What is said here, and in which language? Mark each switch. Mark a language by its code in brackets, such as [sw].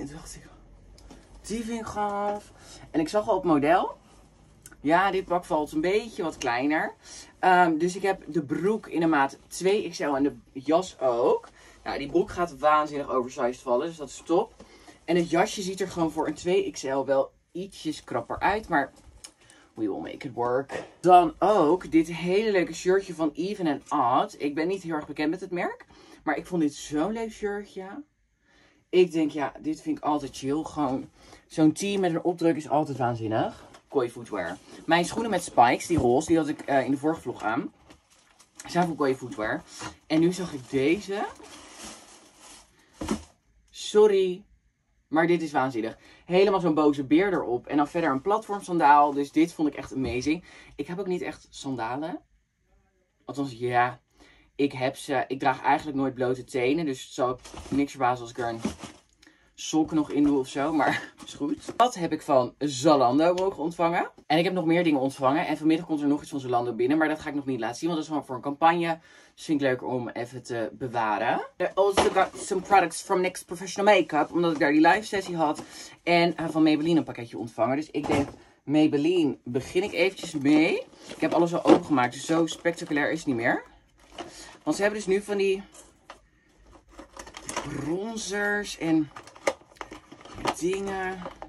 [nl] En toen dacht ik, die vind ik gaaf. En ik zag al op model. Ja, dit pak valt een beetje wat kleiner. Dus ik heb de broek in de maat 2XL en de jas ook. Nou, die broek gaat waanzinnig oversized vallen. Dus dat is top. En het jasje ziet er gewoon voor een 2XL wel ietsjes krapper uit. Maar [en] we will make it work. [nl] Dan ook dit hele leuke shirtje van Even and Odd. Ik ben niet heel erg bekend met het merk. Maar ik vond dit zo'n leuk shirtje. Ik denk, ja, dit vind ik altijd chill. Gewoon zo'n team met een opdruk is altijd waanzinnig. Koi Footwear. Mijn schoenen met spikes, die roze, die had ik in de vorige vlog aan. Zijn van Koi Footwear. En nu zag ik deze. Sorry. Maar dit is waanzinnig. Helemaal zo'n boze beer erop. En dan verder een platform sandaal. Dus dit vond ik echt amazing. Ik heb ook niet echt sandalen. Althans, ja. Ik heb ze. Ik draag eigenlijk nooit blote tenen. Dus het zal niks verbazen als ik er een sok nog in doe of zo. Maar is goed. Dat heb ik van Zalando mogen ontvangen. En ik heb nog meer dingen ontvangen. En vanmiddag komt er nog iets van Zalando binnen. Maar dat ga ik nog niet laten zien. Want dat is gewoon voor een campagne. Dus vind ik leuk om even te bewaren. [en] I also got some products from NYX Professional Makeup. [nl] Omdat ik daar die live sessie had. En van Maybelline een pakketje ontvangen. Dus ik denk, Maybelline begin ik eventjes mee. Ik heb alles al opengemaakt. Dus zo spectaculair is het niet meer. Want ze hebben dus nu van die bronzers en dingen.